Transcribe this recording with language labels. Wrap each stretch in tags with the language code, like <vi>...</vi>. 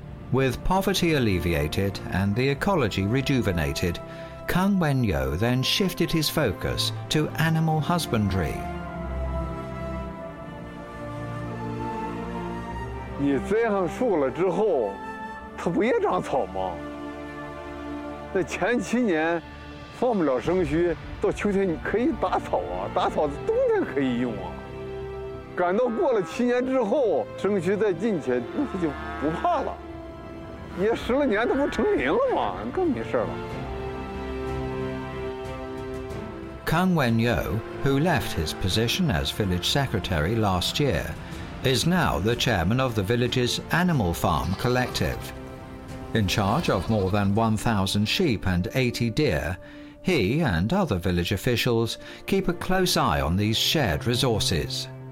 <en>With poverty alleviated and the ecology rejuvenated,Kang Wen Yeo then shifted his focus to animal husbandry.</en> <zh>你栽上树了之后，它不也长草吗？那前七年放不了生虚，到秋天你可以打草啊，打草冬天可以用啊。赶到过了七年之后，生虚再进去，那它就不怕了。你十来年它不成林了吗？更没事了。</zh> <en>Kang Wen Yeo, who left his position as village secretary last year, is now the chairman of the village's animal farm collective. In charge of more than 1,000 sheep and 80 deer, he and other village officials keep a close eye on these shared resources.</en>